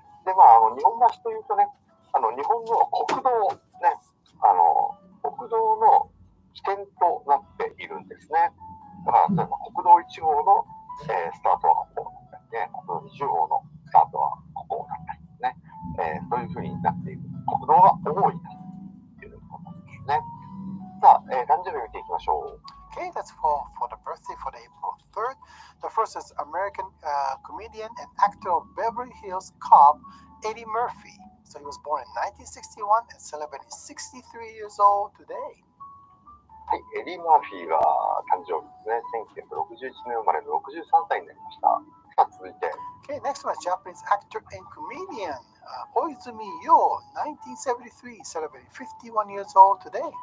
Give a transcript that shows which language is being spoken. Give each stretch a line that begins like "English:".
Japanese: で、日本橋というとね、日本の国道、ね、国道の起点となっているんですね。だから、例えば国道1号の、スタートはここだったりね、国道20号のスタートはここだったりですね、そういうふうになっている、国道が多いということなんですね。さあ、誕生日見ていきましょう。
English: Okay, that's for the birthday for the April 3rd. The first is American comedian and actor of Beverly Hills Cop, Eddie Murphy. So he was born in 1961 and celebrating 63 years old today.
Japanese: はい、エディ・マーフィーが誕生日ですね。1961年生まれで63歳になりました。さあ、続いて。
English: Okay, next one is Japanese actor and comedian, Oizumi Yo, 1973, celebrating 51 years old today.